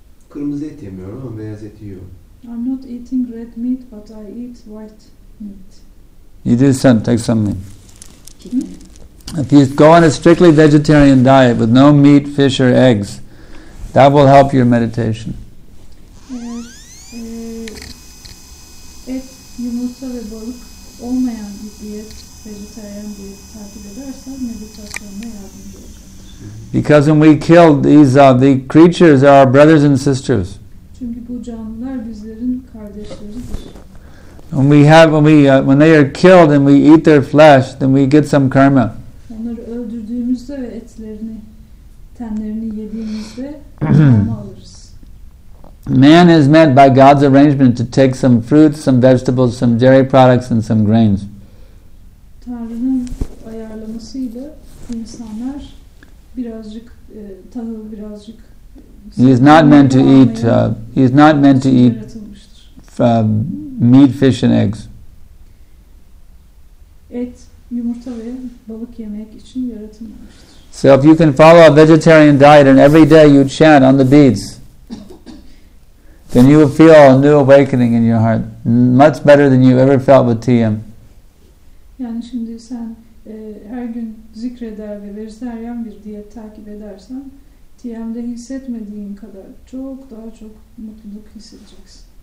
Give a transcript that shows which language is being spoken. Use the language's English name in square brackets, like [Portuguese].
[Turkish] Kırmızı et yemiyorum ama beyaz et yiyorum. [English] I'm not eating red meat, but I eat white meat. You do some, take something. If you go on a strictly vegetarian diet with no meat, fish or eggs, that will help your meditation. [Turkish] Et, yumurta ve balık olmayan bir diyet, vegetarian diyet takip edersen meditasyonuna yardımcı olacaktır. [English] Because when we kill these the creatures are our brothers and sisters. [Turkish] Çünkü bu canlılar bizlerin kardeşleridir. [English] When we have, when they are killed and we eat their flesh, then we get some karma. [Turkish] Onları öldürdüğümüzde ve etlerini, tenlerini yediğimizde karma alırız. [English] Man is meant by God's arrangement to take some fruits, some vegetables, some dairy products and some grains. [Turkish] Tanrı'nın ayarlamasıyla insanlar birazcık tahıl, birazcık. [English] He is not meant to eat meat, fish and eggs. [Turkish] Et, yumurta ve balık yemek için yaratılmamıştır. [English] So if you can follow a vegetarian diet and every day you chant on the beads, then you will feel a new awakening in your heart, much better than you ever felt with TM. [Turkish] Yani şimdi sen her gün zikreder ve vejetaryen bir diyet takip edersen TM'de hissetmediğin kadar çok daha çok mutluluk hissedeceksin.